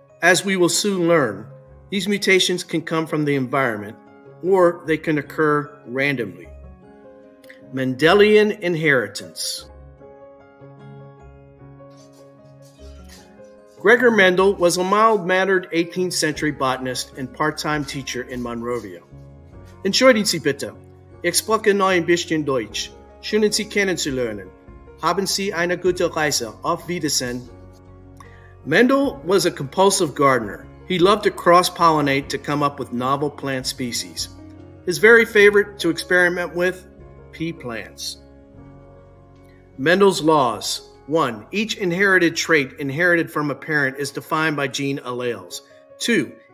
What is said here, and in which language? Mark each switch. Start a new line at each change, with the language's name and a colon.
English: As we will soon learn, these mutations can come from the environment, or they can occur randomly. Mendelian inheritance. Greger Mendel was a mild-mannered 18th century botanist and part-time teacher in Monrovia.
German: Entschuldigen Sie bitte. Ich spreche nur ein bisschen Deutsch. Schönen Sie kennenzulernen. Haben Sie eine gute Reise. Auf Wiedersehen.
English: Mendel was a compulsive gardener. He loved to cross-pollinate to come up with novel plant species. His very favorite to experiment with, pea plants. Mendel's laws. 1. Each inherited trait inherited from a parent is defined by gene alleles. 2.